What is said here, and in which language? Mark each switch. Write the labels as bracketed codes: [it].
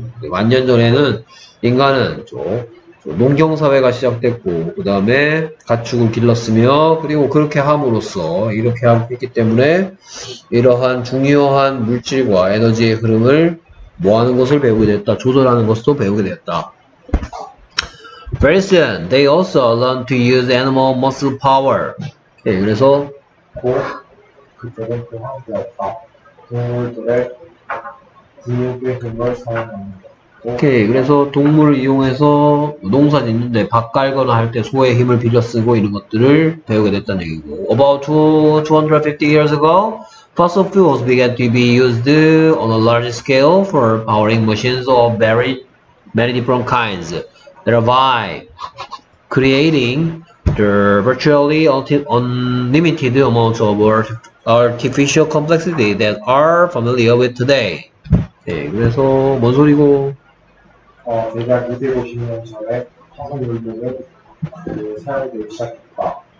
[ko] 만년 전에는 인간은 농경 사회가 시작됐고, 그 다음에 가축을 길렀으며, 그리고 그렇게 함으로써 이렇게 했기 때문에 이러한 중요한 물질과 에너지의 흐름을 뭐 하는 것을 배우게 되었다. 조절하는 것도 배우게 되었다. [en] Very soon, they also learn to use animal muscle power. [ko] 네, 그래서 그쪽은 동물들의 근육의 근을 사용합니다. 오케이. 그래서 동물을 이용해서 농사 짓는데 밭 갈거나 할때 소의 힘을 빌려 쓰고 이런 것들을 배우게 됐다는 얘기고. [en] About 250 years ago, fossil fuels began to be used on a large scale for powering machines of many different kinds, thereby creating the virtually unlimited amounts of artificial complexity that are familiar with today. [ko] 네, 그래서 뭔 소리고? 내가 250년 전에 화석연료를 사용하기 시작했다.